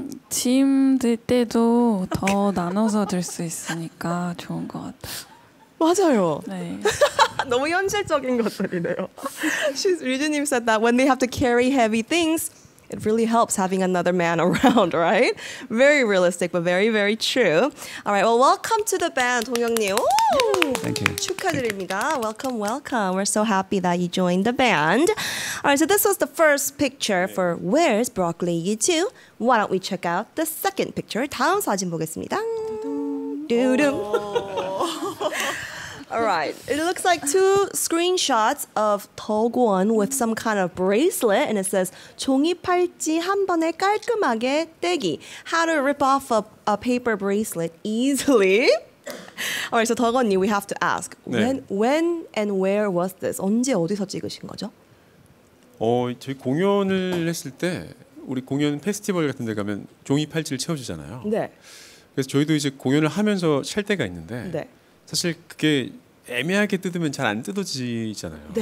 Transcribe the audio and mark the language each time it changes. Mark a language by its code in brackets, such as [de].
[ko] 짐 들 때도 더 나눠서 들 수 있으니까 좋은 것 같아요. 맞아요. 네. 너무 현실적인 것들이네요. [en] She's, Ryujin님 said that when they have to carry heavy things, it really helps having another man around, right? Very realistic, but very, very true. All right, well, welcome to the band, 동혁님. Thank you. [ko] 축하드립니다. [en] Thank you. Welcome, welcome. We're so happy that you joined the band. All right, so this was the first picture for Where's Broccoli You Too? Why don't we check out the second picture? [ko] 다음 사진 보겠습니다. Doo-doo. [en] All right. It looks like two screenshots of Dogwon with some kind of bracelet, and it says [ko] 종이 팔찌 한 번에 깔끔하게 떼기. [en] How to rip off a paper bracelet easily? All right. So Dogwon, we have to ask 네. when and where was this? [ko] 언제 어디서 찍으신 거죠? 저희 공연을 했을 때 우리 공연 페스티벌 같은 데 가면 종이 팔찌를 채워주잖아요. 네. 그래서 저희도 이제 공연을 하면서 찰 때가 있는데. 네. 사실 그게 애매하게 뜯으면 잘 안 뜯어지잖아요.